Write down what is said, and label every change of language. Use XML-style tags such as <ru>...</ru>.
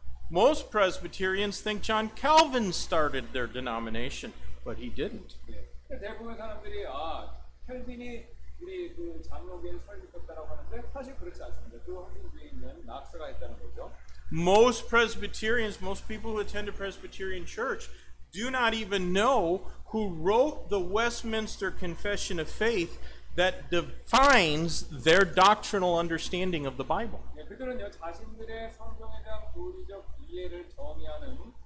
<en>Most Presbyterians think John Calvin started their denomination. But he didn't.</en> <ko>네, 대부분 사람들이 아 켈빈이 우리 그 장로교회 설립했다라고 하는데 사실 그렇지 않습니다. 그 확신주의 있는 낙서가 했다는 거죠.</ko> <en>Most Presbyterians, most people who attend a Presbyterian church, do not even know who wrote the Westminster Confession of Faith that defines their doctrinal understanding of the Bible.</en> <ko>네, 그들은요 자신들의 성경에 대한 교리적 이해를 정의하는</ko>